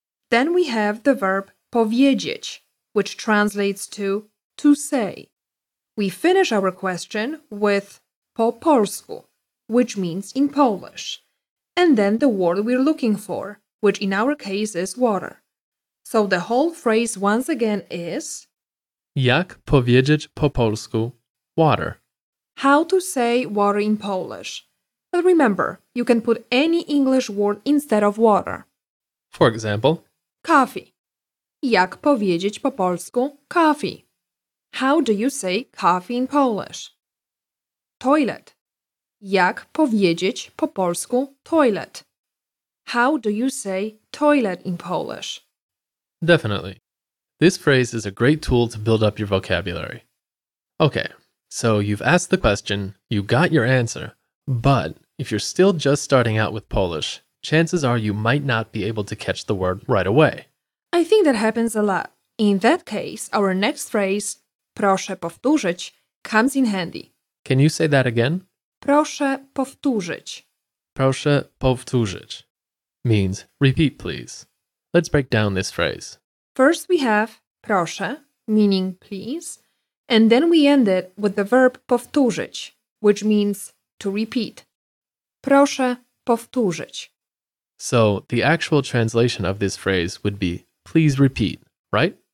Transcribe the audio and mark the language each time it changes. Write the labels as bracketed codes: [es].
[en] Then we have the verb powiedzieć, which translates to say. We finish our question with [pl] po polsku, [en] which means in Polish. And then the word we're looking for, which in our case is water. So the whole phrase once again is [pl] jak powiedzieć po polsku water. [en] How to say water in Polish. But remember, you can put any English word instead of water. For example, coffee. [pl] Jak powiedzieć po polsku coffee? [en] How do you say coffee in Polish? Toilet. [pl] Jak powiedzieć po polsku toilet? [en] How do you say toilet in Polish? Definitely. This phrase is a great tool to build up your vocabulary. Okay, so you've asked the question, you got your answer, but if you're still just starting out with Polish, chances are you might not be able to catch the word right away. I think that happens a lot. In that case, our next phrase, [pl] proszę powtórzyć, [en] comes in handy. Can you say that again? [pl] Proszę powtórzyć. Proszę powtórzyć [en] means repeat, please. Let's break down this phrase. First we have proszę, meaning please, and then we end it with the verb powtórzyć, which means to repeat. [pl] Proszę powtórzyć. [en] So the actual translation of this phrase would be please repeat, right?